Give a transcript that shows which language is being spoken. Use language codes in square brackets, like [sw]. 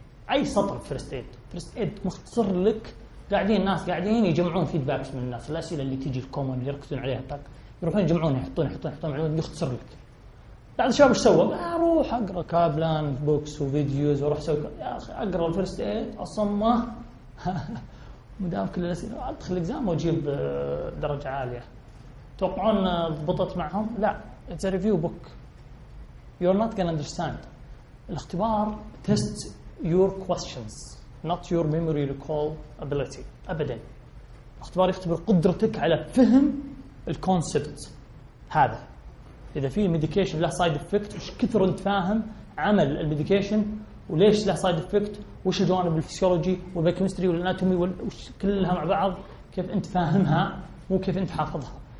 [ar] اي سطر فيرست ايد فيرست ايد مختصر لك قاعدين الناس قاعدين يجمعون فيدباكس من الناس الاسئله اللي تجي الكومن اللي يركزون عليها طق يروحون يجمعونها يحطون يحطون يحطون معلومات يختصر لك بعد الشباب ايش سوى اروح اقرا كابلان بوكس وفيديوز واروح اسوي يا اخي اقرا الفيرست ايد اصمه مدام كل الاسئله ادخل الاكزام واجيب درجه عاليه توقعون ضبطت معهم لا [en] It's review book You're not going to understand. الاختبار tests your questions, not your memory recall ability. [ar] أبداً. الاختبار يختبر قدرتك على فهم الكونسبت هذا. إذا في medication له side effect, وش كثر أنت فاهم عمل medication وليش له side effect, وش الجوانب الفسيولوجي والبيكيمستري والاناتومي وش كلها مع بعض, كيف أنت فاهمها مو كيف أنت حافظها.